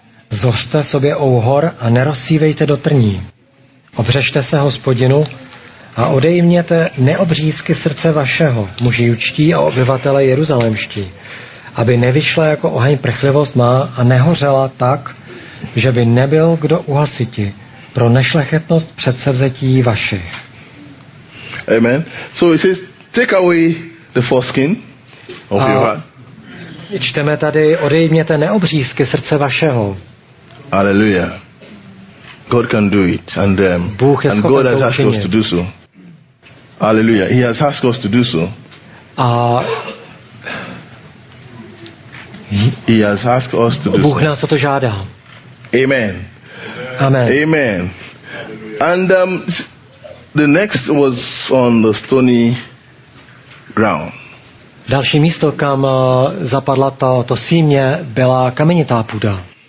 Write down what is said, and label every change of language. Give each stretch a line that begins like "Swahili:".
Czech: Zořte sobě úhor a nerozsívejte do trní. Obřešte se Hospodinu a odejměte neobřízky srdce vašeho, muži judští a obyvatele jeruzalémští, aby nevyšla jako oheň prchlivost má a nehořela tak, že by nebyl kdo uhasiti pro nešlechetnost předsevzetí vašich. Amen.
English: So it says, take away the foreskin.
Czech: A čteme tady, odejměte neobřízky srdce vašeho. Alleluja.
English: God can do it, and God has asked us to do so. Alleluja. He has asked us to do so. He has asked us to do so.
Czech: Bůh nás o to žádá. Amen. Amen. Amen.
English: And the next was on the stony ground.
Czech: Další místo, kam zapadla to símě, byla kamenitá půda.